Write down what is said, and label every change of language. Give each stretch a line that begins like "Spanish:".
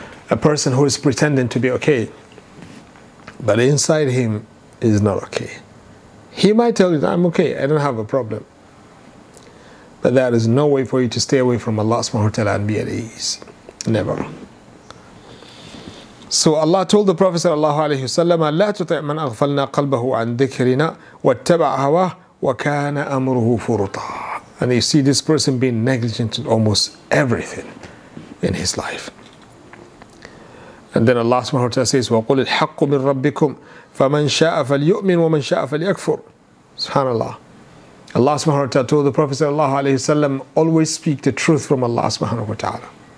English: A person who is pretending to be okay, but inside him is not okay. He might tell you, I'm okay, I don't have a problem. But that is no way for you to stay away from Allah subhanahu wa ta'ala and be at ease. Never. So Allah told the Prophet sallallahu alayhi wa sallam,
Arabic: لا تطع من أغفلنا قلبه عن ذكرنا واتبع هواه وكان أمره فرطا.
English: And you see this person being negligent in almost everything in his life. And then Allah subhanahu wa ta'ala says,
Arabic: وَقُلِ الْحَقُّ مِنْ رَبِّكُمْ فَمَنْ شَاءَ فَلْيُؤْمِنْ وَمَنْ شَاءَ فَلْيَكْفُرْ.
English: Subhanallah. Allah subhanahu wa ta'ala told the Prophet sallallahu alayhi wa sallam, always speak the truth from Allah subhanahu wa ta'ala.